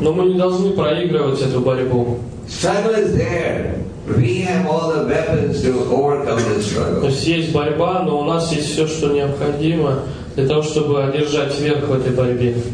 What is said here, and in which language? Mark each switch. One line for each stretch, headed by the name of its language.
Russian: Но мы не должны проигрывать эту борьбу.
English: Struggle is there. We have all the weapons to overcome the struggle.
Russian: То есть есть борьба, но у нас есть все, что необходимо для того, чтобы одержать верх в этой борьбе.